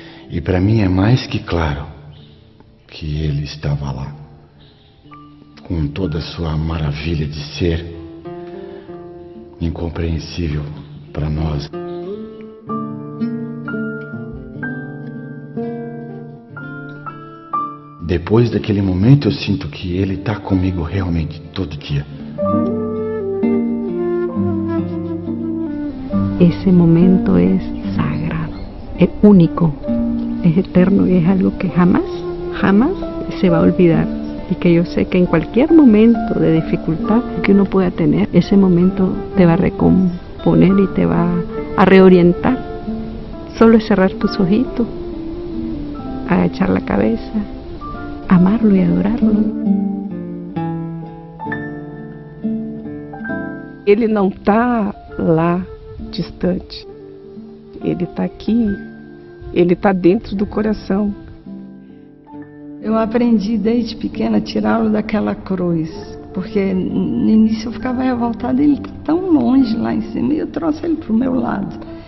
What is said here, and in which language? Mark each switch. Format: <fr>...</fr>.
<pt>E para mim é mais que claro que ele estava lá, com toda a sua maravilha de ser, incompreensível para nós. Depois daquele momento, eu sinto que ele está comigo realmente todo dia.</pt> <es>ese momento es sagrado, es único, es eterno y es algo que jamás, jamás se va a olvidar. Y que yo sé que en cualquier momento de dificultad que uno pueda tener, ese momento te va a recomponer y te va a reorientar. Solo es cerrar tus ojitos, agachar la cabeza, amarlo y adorarlo.</es> <pt>Ele não está lá distante, ele está aqui, ele está dentro do coração. Eu aprendi desde pequena a tirá-lo daquela cruz, porque no início eu ficava revoltada, ele está tão longe lá em cima, e eu trouxe ele para o meu lado.</pt>